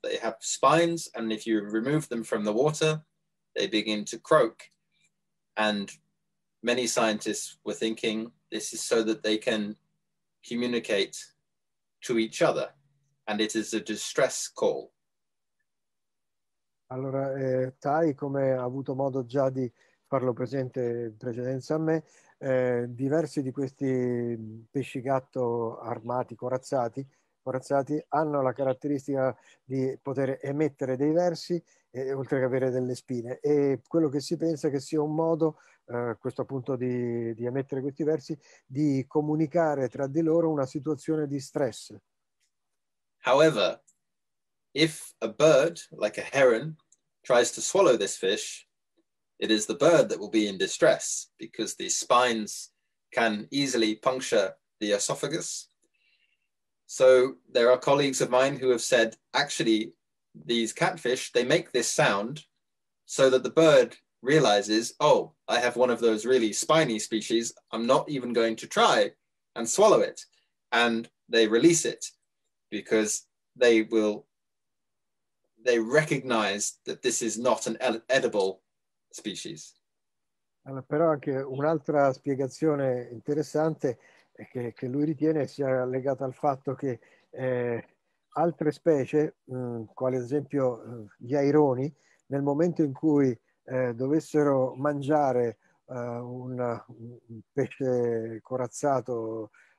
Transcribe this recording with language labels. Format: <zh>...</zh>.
<en>They have spines, and if you remove them from the water, they begin to croak. And many scientists were thinking this is so that they can communicate to each other, and it is a distress call.</en> <it>Allora, Tai, come ha avuto modo già di farlo presente in precedenza a me, diversi di questi pesci gatto armati, corazzati, hanno la caratteristica di poter emettere dei versi, oltre che avere delle spine. E quello che si pensa che sia un modo, a questo punto, di emettere questi versi, di comunicare tra di loro una situazione di stress.</it> <en>However, if a bird, like a heron, tries to swallow this fish, it is the bird that will be in distress because these spines can easily puncture the esophagus. So there are colleagues of mine who have said, actually, these catfish, they make this sound so that the bird realizes, oh, I have one of those really spiny species. I'm not even going to try and swallow it. And they release it because they recognize that this is not an edible species.</en> <it>Allora, però anche un'altra spiegazione interessante che lui ritiene sia legata al fatto che altre specie, quali ad esempio gli aironi, nel momento in cui dovessero mangiare un pesce corazzato,</it>